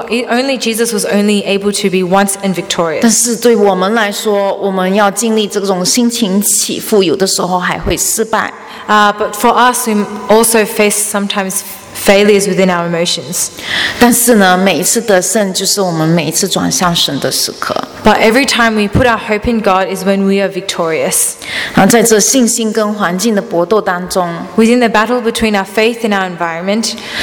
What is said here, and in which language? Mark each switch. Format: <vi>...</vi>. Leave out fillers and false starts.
<en>Only Jesus was only able to be once and victorious.</en> <zh>但是对我们来说，我们要经历这种心情起伏，有的时候还会失败。</zh> <en>But for us, we also face sometimes failures within our emotions.</en> <zh>但是呢，每一次得胜就是我们每一次转向神的时刻。</zh> <en>But every time we put our hope in God is when we are victorious.</en> <zh>然后在这信心跟环境的搏斗当中,</zh> <en>within the battle between our faith and our environment,</en>